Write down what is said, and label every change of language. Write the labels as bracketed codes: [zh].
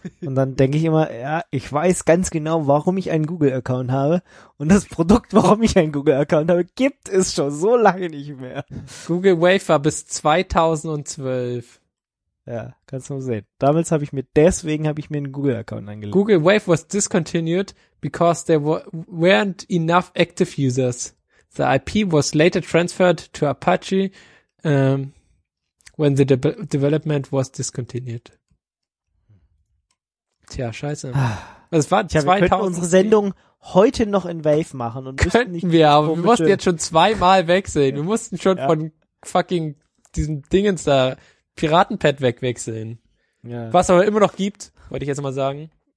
[de] Und dann denke ich immer, ja, ich weiß ganz genau, warum ich einen Google-Account habe. Und das Produkt, warum ich einen Google-Account habe, gibt es schon so lange nicht mehr. Google Wave war bis 2012. Ja, kannst du mal sehen. Damals habe ich mir, deswegen habe ich mir einen Google-Account eingeloggt. [en] Google Wave was discontinued because there weren't enough active users. The IP was later transferred to Apache when the development was discontinued. [de] Tja, scheiße. Es war 2000. Wir könnten unsere Sendung heute noch in Wave machen und müssten nicht. Könnten wir, aber wir mussten jetzt schon zweimal wegsehen. Wir mussten schon von fucking diesem Dingens da Piratenpad wegsehen. Ja. Was aber immer noch gibt, wollte ich jetzt mal sagen.